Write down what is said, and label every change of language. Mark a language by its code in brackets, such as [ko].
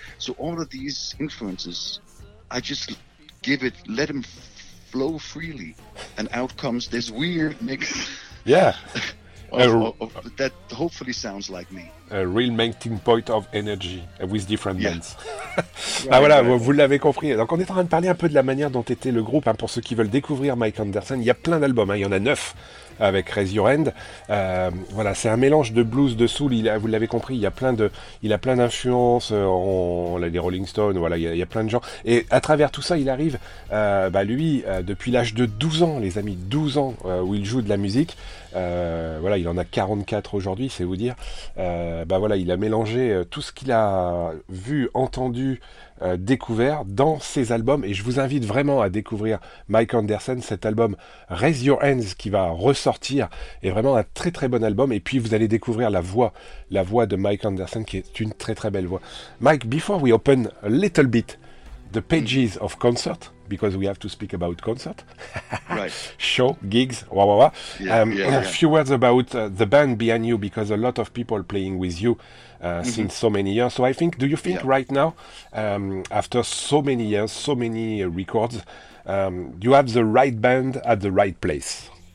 [en] So all of these influences, I just give it, let them flow freely, and out comes this weird mix. Yeah. That hopefully sounds like me. A real melting pot of energy with different bands. [fr] Vous l'avez compris. Donc, on est en train de parler un peu de la manière dont était le groupe. Hein, pour ceux qui veulent découvrir Mike Anderson, il y a plein d'albums. Il y en a 9 avec Raise Your Hand. C'est un mélange de blues, de soul. Vous l'avez compris, il a plein d'influences. On a des Rolling Stones. Il y a plein de gens. Et à travers tout ça, il arrive, depuis l'âge de 12 ans, les amis, 12 ans où il joue de la musique. Il en a 44 aujourd'hui, c'est vous dire. Il a mélangé tout ce qu'il a vu, entendu, découvert dans ses albums, et je vous invite vraiment à découvrir Mike Anderson, cet album Raise Your Hands qui va ressortir, est vraiment un très très bon album, et puis vous allez découvrir la voix de Mike Anderson, qui est une très très belle voix. [en] Mike, before we open a little bit the pages of concert, because we have to speak about concert, show, gigs, a few words about the band behind you, because a lot of people playing with you since so many years. So I think, do you think right now, after so many years, so many records, you have the right band at the right place?